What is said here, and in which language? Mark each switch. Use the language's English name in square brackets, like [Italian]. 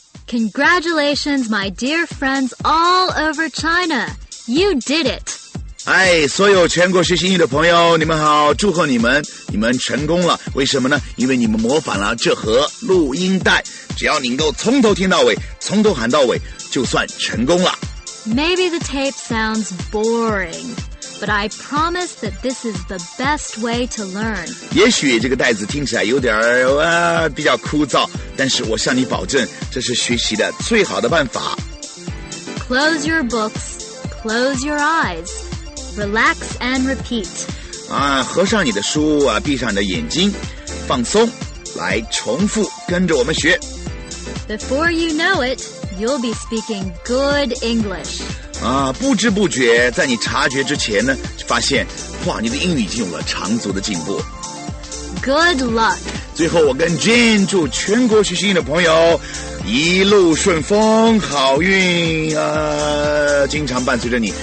[English] Congratulations, my dear friends all over China. You did it. [Chinese] 哎，所有全国学习英语的朋友，你们好，祝贺你们，你们成功了。为什么呢？因为你们模仿了这盒录音带，只要你能够从头听到尾，从头喊到尾，就算成功了。 [English] Maybe the tape sounds boring, but I promise that this is the best way to learn. [Chinese] 也许这个袋子听起来有点儿比较枯燥，但是我向你保证，这是学习的最好的办法。 [English] Close your books, close your eyes, relax and repeat. [Chinese] 啊，合上你的书啊，闭上你的眼睛，放松，来重复，跟着我们学。 [English] Before you know it,You'll be speaking good English. [Chinese] 啊，不知不觉，在你察觉之前呢，发现，哇，你的英语已经有了长足的进步。 [English] Good luck. [Chinese] 最后，我跟 Jane 祝全国学习英语的朋友一路顺风，好运啊，经常伴随着你。